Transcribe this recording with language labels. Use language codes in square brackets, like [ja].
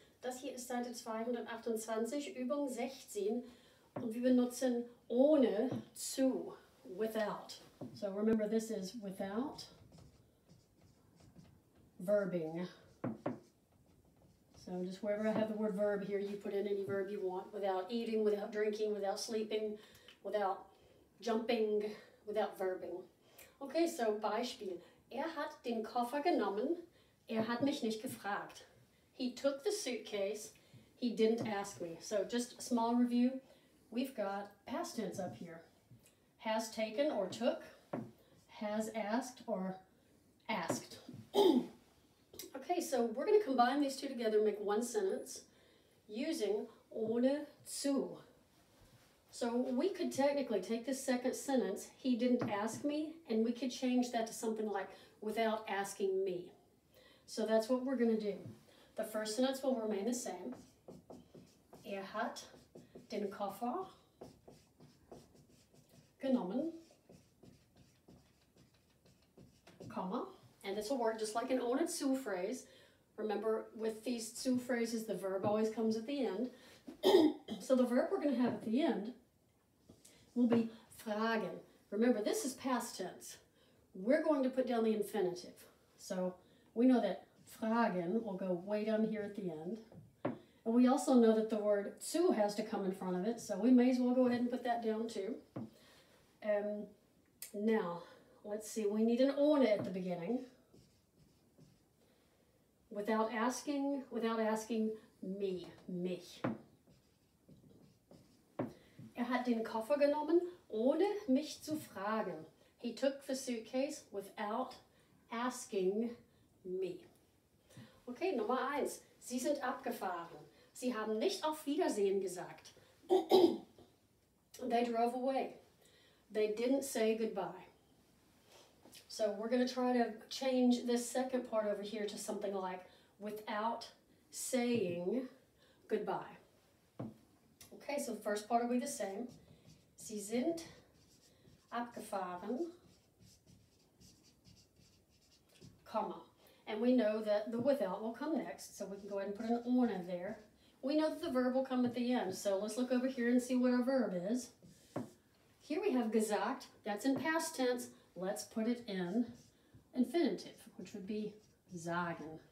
[de] Das hier ist Seite 228, Übung 16. Und wir benutzen ohne zu, without. [en] So remember, this is without verbing. So just wherever I have the word verb here, you put in any verb you want. Without eating, without drinking, without sleeping, without jumping, without verbing. Okay, so Beispiel. [de] Er hat den Koffer genommen. Er hat mich nicht gefragt. [en] He took the suitcase. He didn't ask me. So just a small review. We've got past tense up here. Has taken or took. Has asked or asked. Okay, so we're going to combine these two together and make one sentence using ohne zu. So we could technically take this second sentence, he didn't ask me, and we could change that to something like without asking me. So that's what we're going to do. The first sentence will remain the same. [de] Er hat den Koffer genommen, comma. [en] And this will work just like an ohne zu phrase. Remember, with these zu phrases, the verb always comes at the end. So the verb we're going to have at the end will be fragen. Remember, this is past tense. We're going to put down the infinitive. So we know that fragen will go way down here at the end. And we also know that the word zu has to come in front of it. So we may as well go ahead and put that down too. Now, let's see. We need an ohne at the beginning. Without asking me, mich. [de] Er hat den Koffer genommen, ohne mich zu fragen. [en] He took the suitcase without asking me. [de] Okay, Nummer eins. Sie sind abgefahren. Sie haben nicht auf Wiedersehen gesagt. [en] They drove away. They didn't say goodbye. So we're going to try to change this second part over here to something like without saying goodbye. Okay, so the first part will be the same. [de] Sie sind abgefahren, comma. [en] And we know that the without will come next, so we can go ahead and put an ohne there. We know that the verb will come at the end, so let's look over here and see what our verb is. Here we have gesagt, that's in past tense. Let's put it in infinitive, which would be sagen.